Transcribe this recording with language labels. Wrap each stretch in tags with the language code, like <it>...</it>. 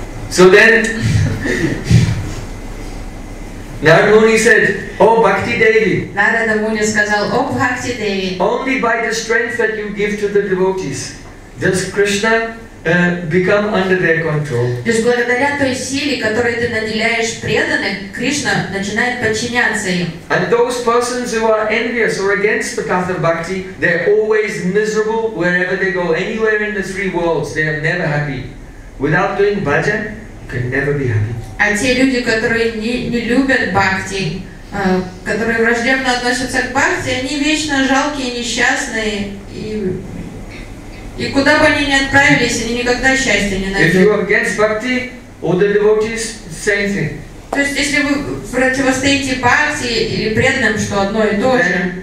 <en>So then Narada Muni said, "Oh Bhakti Devi."</en> <ru>Narada Muni сказал, "О Бхакти Деви."</ru> <en>Only by the strength that you give to the devotees does Krishna become under their control.</en> <ru>Лишь благодаря той силе, которой ты наделяешь преданных, Кришна начинает подчиняться им.</ru> <en>And those persons who are envious or against the path of bhakti, they're always miserable wherever they go. Anywhere in the three worlds, they are never happy. Without doing bhajan, you can never be happy.</en> <ru>А те люди, которые не любят бхакти, которые враждебно относятся к бхакти, они вечно жалкие, несчастные. И куда бы они ни отправились, они никогда счастья не найдут.</ru> <en>If you are against bhakti, all the devotees, same thing.</en> <ru>То есть, если вы противостоите бхакти или преданным, что одно и то же,</ru>